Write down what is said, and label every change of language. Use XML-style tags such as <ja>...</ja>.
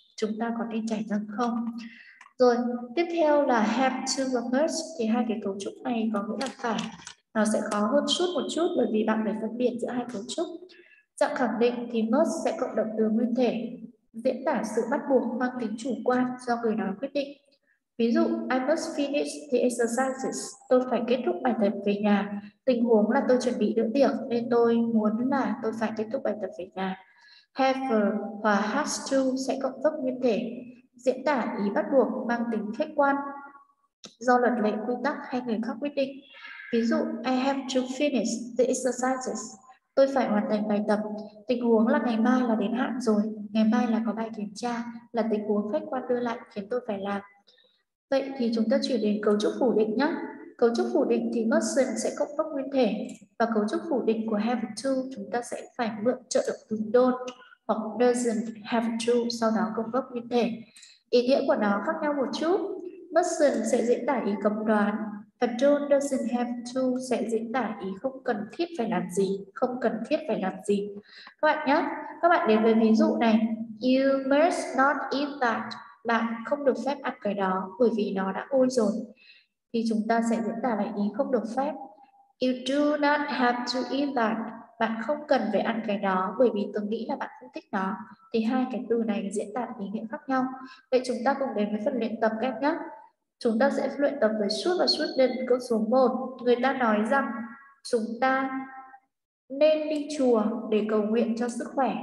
<vi>Chúng ta có nên chải răng không? Rồi, tiếp theo là have to và must. Thì hai cái cấu trúc này có nghĩa là phải. Nó sẽ khó hơn chút một chút bởi vì bạn phải phân biệt giữa hai cấu trúc. Dạng khẳng định thì must sẽ cộng động từ nguyên thể, diễn tả sự bắt buộc mang tính chủ quan do người nói quyết định. Ví dụ,</vi> <en>I must finish the exercises.</en> <vi>Tôi phải kết thúc bài tập về nhà. Tình huống là tôi chuẩn bị bữa tiệc nên tôi muốn là tôi phải kết thúc bài tập về nhà. Have và has to sẽ cộng gốc nguyên thể, diễn tả ý bắt buộc mang tính khách quan do luật lệ quy tắc hay người khác quyết định. Ví dụ,</vi> <en>I have to finish the exercises.</en> <vi>Tôi phải hoàn thành bài tập. Tình huống là ngày mai là đến hạn rồi. Ngày mai là có bài kiểm tra, là tình huống khách quan đưa lại khiến tôi phải làm. Vậy thì chúng ta chuyển đến cấu trúc phủ định nhé. Cấu trúc phủ định thì mustn't sẽ cộng gốc nguyên thể. Và cấu trúc phủ định của have to chúng ta sẽ phải mượn trợ động từ don't hoặc doesn't have to, sau đó cộng gốc nguyên thể. Ý nghĩa của nó khác nhau một chút. Mustn't sẽ diễn tả ý cấm đoán. Và don't doesn't have to sẽ diễn tả ý không cần thiết phải làm gì, không cần thiết phải làm gì. Các bạn nhé, các bạn đến với ví dụ này.</vi> <en>You must not eat that.</en> <vi>Bạn không được phép ăn cái đó bởi vì nó đã ôi rồi. Thì chúng ta sẽ diễn tả lại ý không được phép.</vi> <en>You do not have to eat that.</en> <vi>Bạn không cần phải ăn cái đó bởi vì tôi nghĩ là bạn không thích nó. Thì hai cái từ này diễn tả ý nghĩa khác nhau. Vậy chúng ta cùng đến với phần luyện tập các nhé. Chúng ta sẽ luyện tập với suốt và suốt lên câu số 1. Người ta nói rằng chúng ta nên đi chùa để cầu nguyện cho sức khỏe.</vi>